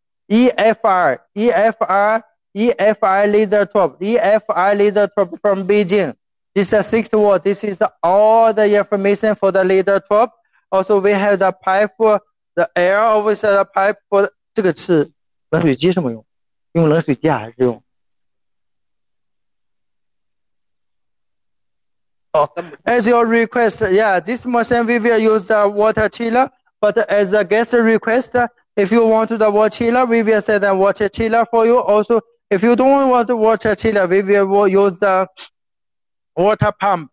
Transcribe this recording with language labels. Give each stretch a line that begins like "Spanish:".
English: EFR laser top from Beijing. This is a 60 watts. This is all the information for the laser top. Also, we have the pipe, the air over the pipe for the.
Chinese: 这个是冷水机什么用？用冷水机还是用？
English: Oh, as your request, yeah, this machine we will use the water chiller, but as a guest request, if you want the water chiller, we will set the water chiller for you. Also, if you don't want the water chiller, we will use the water pump.